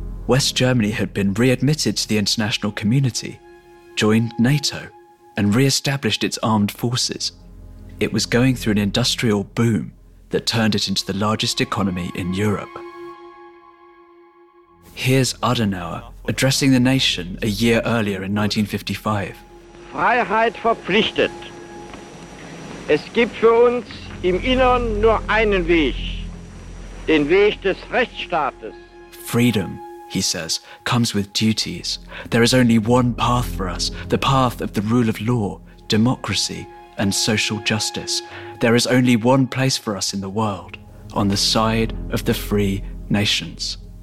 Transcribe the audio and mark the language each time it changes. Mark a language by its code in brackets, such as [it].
[en] West Germany had been readmitted to the international community, joined NATO, and re-established its armed forces. It was going through an industrial boom that turned it into the largest economy in Europe. Here's Adenauer addressing the nation a year earlier in 1955. [de] Freiheit verpflichtet. Es gibt für uns im Innern nur einen Weg, den Weg des Rechtsstaates. [en] Freedom, he says, comes with duties. There is only one path for us, the path of the rule of law, democracy, and social justice. There is only one place for us in the world, on the side of the free nations.